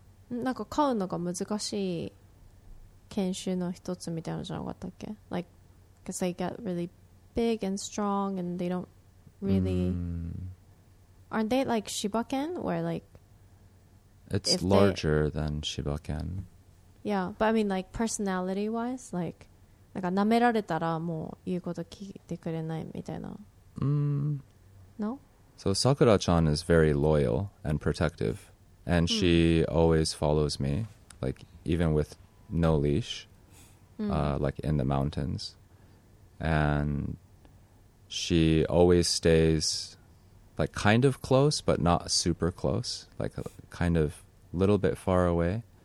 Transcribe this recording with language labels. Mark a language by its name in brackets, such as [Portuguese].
[Japanese] なんか飼うのが難しい犬種の一つみたいなのじゃなかったっけ? [English] Like, because they get really big and strong and they don't really... Aren't they like Shiba Ken? Where like... It's larger than Shiba Ken. Yeah, but I mean like personality wise, like... [Japanese] なんか舐められたらもう言うこと聞いてくれないみたいな。 [English] No? So Sakura-chan is very loyal and protective. And she always follows me, like even with no leash, like in the mountains. And she always stays like kind of close, but not super close, like a kind of little bit far away.